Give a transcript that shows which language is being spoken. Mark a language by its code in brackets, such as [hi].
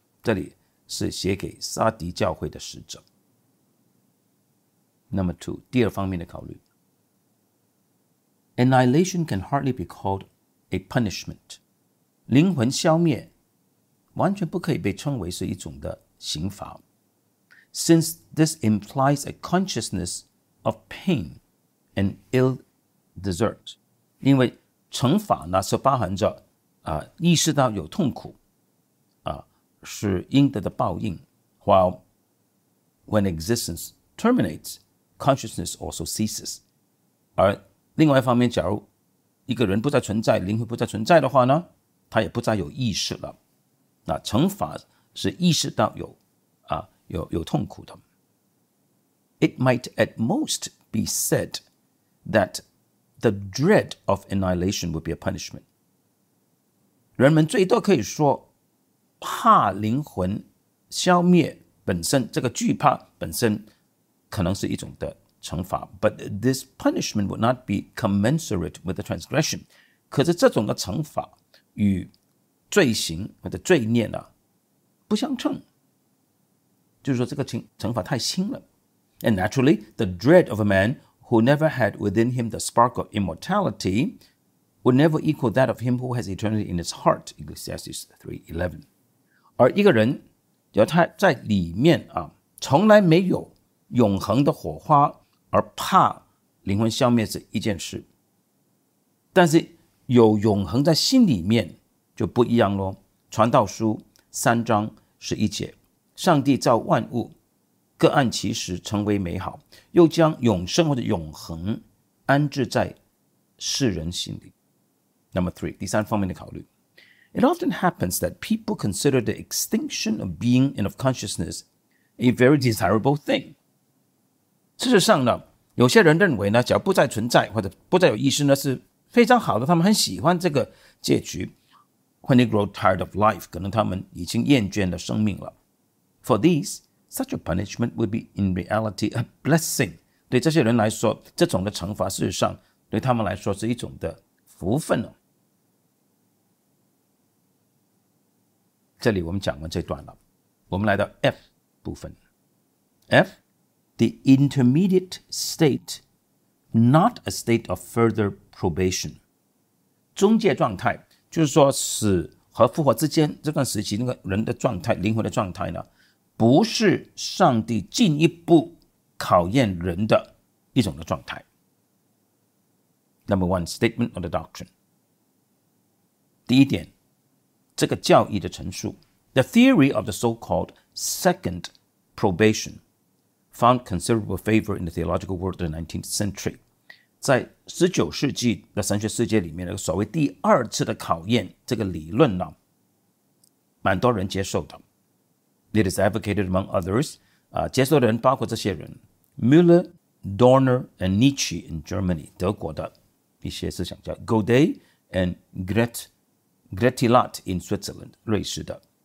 [zh] 这里是写给撒迪教会的使者。 [en] Number 2, [zh] 第二方面的考虑。 [en] Annihilation can hardly be called a punishment. [zh] 灵魂消灭完全不可以被称为是一种的刑罚。 [en] Since this implies a consciousness of pain and ill desert. [zh] 因为惩罚呢是包含着意识到有痛苦是应得的报应。 [en] While when existence terminates, consciousness also ceases. [zh] 而另外一方面，假如一个人不再存在，灵魂不再存在的话呢，他也不再有意识了。那惩罚是意识到有痛苦的。 [en] It might at most be said that the dread of annihilation would be a punishment. [zh] 人们最多可以说怕灵魂消灭本身，这个惧怕本身可能是一种的惩罚。 [en] But this punishment would not be commensurate with the transgression. [zh] 可是这种的惩罚与罪行或者罪孽呢不相称，就是说这个惩罚太轻了。 [en] And naturally, the dread of a man who never had within him the spark of immortality would never equal that of him who has eternity in his heart, Ecclesiastes 3:11. [zh] 而一个人要他在里面从来没有永恒的火花而怕灵魂消灭是一件事，但是有永恒在心里面就不一样咯。传道书三章十一节，上帝造万物，各按其时成为美好，又将永生或者永恒安置在世人心里。 [en] Number three， [zh] 第三方面的考虑。 [en] It often happens that people consider the extinction of being and of consciousness a very desirable thing。 [zh] 事实上呢，有些人认为呢，只要不再存在或者不再有意识呢，是非常好的，他们很喜欢这个结局。 [en] When they grow tired of life， [zh] 可能他们已经厌倦了生命了。 [en] For these，Such a punishment would be in reality a blessing. [zh] 对这些人来说，这种的惩罚事实上对他们来说是一种的福分。这里我们讲完这段了，我们来到 F 部分。 [en] F, the intermediate state, not a state of further probation. [zh] 中介状态，就是说死和复活之间这段时期，那个人的状态，灵魂的状态呢，不是上帝进一步考验人的一种的状态。 [en] Number one, statement of the doctrine. [zh] 第一点，这个教义的陈述。 [en] The theory of the so-called second probation found considerable favor in the theological world of the 19th century. [zh] 在19世纪的神学世界里面，所谓第二次的考验这个理论呢，蛮多人接受的。 [en] It is advocated among others, [zh] 接受的人包括这些人 [en] Müller, Dorner, and Nietzsche in Germany, [zh] 德国的一些思想家 [en] Godet and Gretelat in Switzerland, [zh] 瑞士的